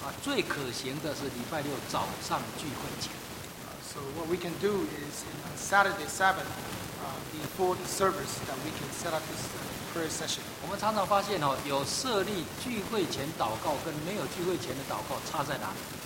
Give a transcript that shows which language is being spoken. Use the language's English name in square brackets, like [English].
[Chinese] 最可行的是礼拜六早上聚会前。 [English] So what we can do is on Saturday, Sabbath, before the service, that we can set up this prayer session. [Chinese] 我们常常发现，有设立聚会前祷告跟没有聚会前的祷告差在哪里？